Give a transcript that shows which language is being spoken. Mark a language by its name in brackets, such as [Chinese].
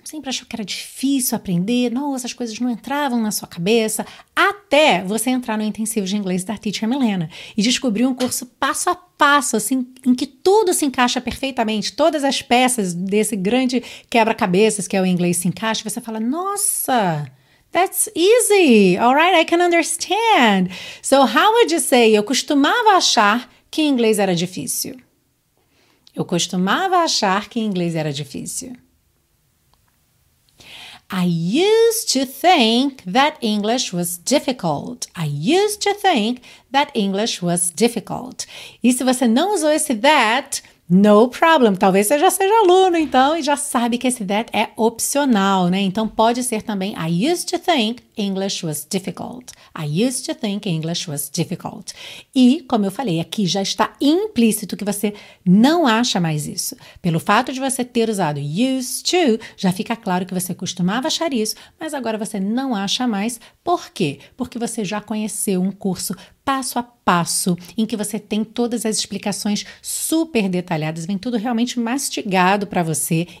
[Portuguese] Sempre achou que era difícil aprender. Nossa, as coisas não entravam na sua cabeça. Até você entrar no intensivo de inglês da Teacher Milena. E descobrir um curso passo a passo, assim, em que tudo se encaixa perfeitamente. Todas as peças desse grande quebra-cabeças que é o inglês se encaixa. Você fala, nossa, [English] that's easy, all right, I can understand. So how would you say, [Portuguese] eu costumava achar que inglês era difícil? Eu costumava achar que inglês era difícil. [English] I used to think that English was difficult. I used to think that English was difficult. [Portuguese] E se você não usou esse that, [English] no problem. [Portuguese] Talvez você já seja aluno, então, e já sabe que esse that é opcional, né? Então, pode ser também, [English] I used to think English was difficult. I used to think English was difficult. [Portuguese] E, como eu falei, aqui já está implícito que você não acha mais isso. Pelo fato de você ter usado used to, já fica claro que você costumava achar isso, mas agora você não acha mais. Por quê? Porque você já conheceu um curso passo a passo, em que você tem todas as explicações super detalhadas, vem tudo realmente mastigado para você.